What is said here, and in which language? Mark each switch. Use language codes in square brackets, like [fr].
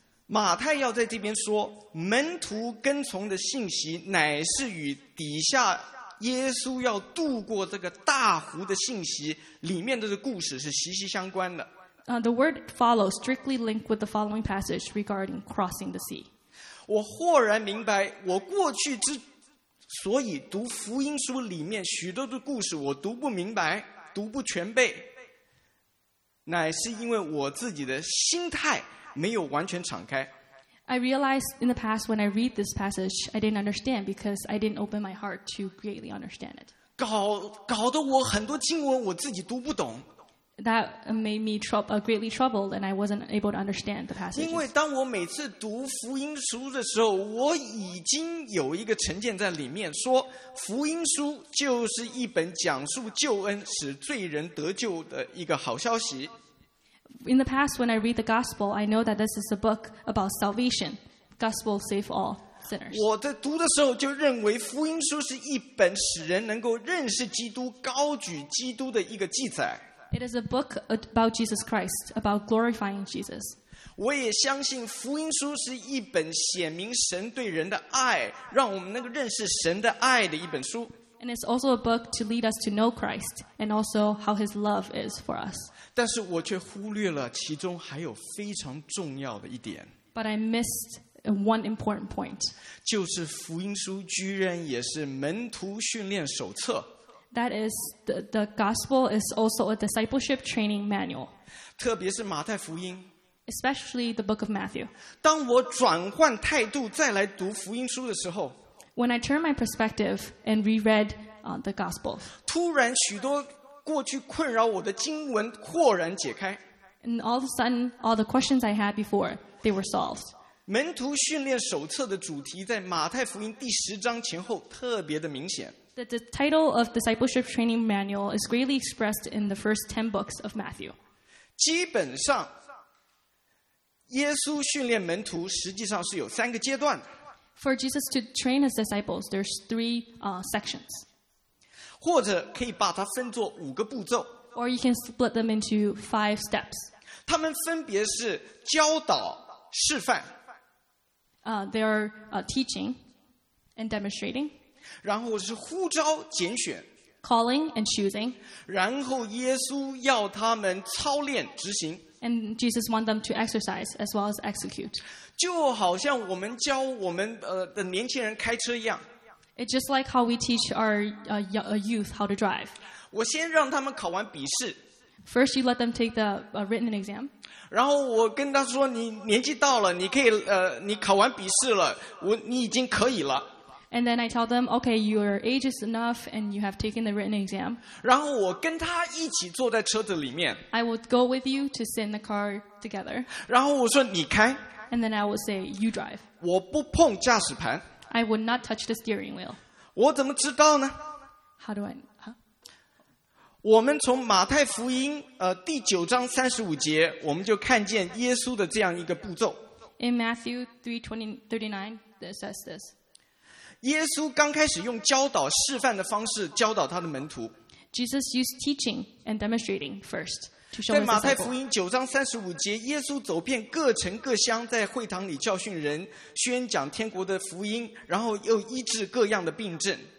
[zh] 马太要在这边说，门徒跟从的信息乃是与底下耶稣要渡过这个大湖的信息里面的故事是息息相关的。 [en] The word follow strictly linked with the following passage regarding crossing the sea. [zh] 我豁然明白，我过去之所以读福音书里面许多的故事我读不明白，读不全备，乃是因为我自己的心态没有完全敞开。 [en] I realized in the past when I read this passage, I didn't understand because I didn't open my heart to greatly understand it. [zh] 搞得我很多经文我自己读不懂。 [en] That made me greatly troubled, and I wasn't able to understand the passage. [zh] 因为当我每次读福音书的时候，我已经有一个成见在里面，说福音书就是一本讲述救恩、使罪人得救的一个好消息。 [en] In the past, when I read the gospel, I know that this is a book about salvation. Gospel save all sinners. [zh] 我在读的时候就认为福音书是一本使人能够认识基督、高举基督的一个记载。 [en] It is a book about Jesus Christ, about glorifying Jesus. [zh] 我也相信福音书是一本显明神对人的爱，让我们能够认识神的爱的一本书。 [en] And it's also a book to lead us to know Christ and also how His love is for us. [zh] 但是我却忽略了其中还有非常重要的一点。 [en] But I missed one important point. [zh] 就是福音书居然也是门徒训练手册。 [en] That is, the gospel is also a discipleship training manual. [zh] 特别是马太福音。 [en] Especially the book of Matthew. [zh] 当我转换态度再来读福音书的时候， [en] When I turn my perspective and reread the gospel, [zh] 突然许多过去困扰我的经文豁然解开。 [en] And all of a sudden, all the questions I had before, they were solved. [zh] 门徒训练手册的主题在马太福音第十章前后特别的明显。 [en] The title of Discipleship Training Manual is greatly expressed in the first 10 books of Matthew. [zh] 基本上，耶稣训练门徒实际上是有三个阶段。 [en] For Jesus to train his disciples, there's three sections. [zh] 或者可以把它分作五个步骤。 [en] Or you can split them into five steps. [zh] 他们分别是教导、示范。 [en] They are teaching and demonstrating. [zh] 然后是呼召拣选 [en] calling and choosing [zh] 然后耶稣要他们操练执行 [en] and Jesus want them to exercise as well as execute [zh] 就好像我们教我们的年轻人开车一样 [en] It's just like how we teach our youth how to drive [zh] 我先让他们考完笔试 [en] First you let them take the written exam [zh] 然后我跟他说你年纪到了你可以你考完笔试了我你已经可以了 [en] And then I tell them, okay, your age is enough and you have taken the written exam. [zh] 然后我跟他一起坐在车子里面。 [en] I would go with you to sit in the car together. [zh] 然后我说你开。 [en] And then I would say, you drive. [zh] 我不碰驾驶盘。 [en] I would not touch the steering wheel. [zh] 我怎么知道呢？ [en] How do I...、 [zh] 我们从马太福音第九章三十五节我们就看见耶稣的这样一个步骤。 [en] In Matthew 3:39, it says this. [zh] 耶稣刚开始用教导示范的方式教导他的门徒。 [en] Jesus used teaching and demonstrating first to show [zh] 在马太福音九章三十五节，耶稣走遍各城各乡，在会堂里教训人，宣讲天国的福音，然后又医治各样的病症。